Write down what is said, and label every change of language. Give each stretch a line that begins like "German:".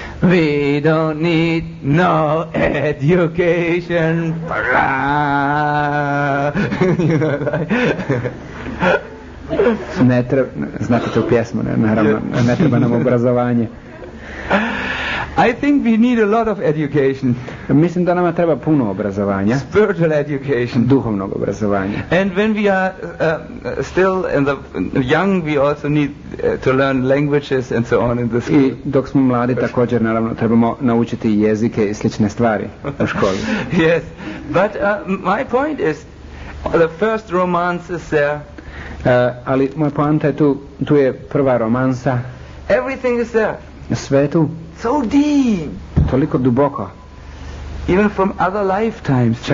English: We don't need no education. You know,
Croatian: ne treba, znate tu pjesmu, naravno, ne treba nam obrazovanje.
English: I think we need a lot of education.
Croatian: Mislim da nama treba puno obrazovanja.
English: Spiritual education.
Croatian: Duhovnog obrazovanja.
English: And when we are still in the young, we also need to learn languages and so on in the school.
Croatian: I dok smo mladi također naravno trebamo naučiti jezike i slične stvari u školi.
English: Yes, but my point is the first romance is there.
Croatian: Ali moja poanta je tu, tu je prva romansa.
English: Everything is there.
Croatian: Sve tu.
English: So deep.
Croatian: Toliko duboko.
English: Even from other lifetimes.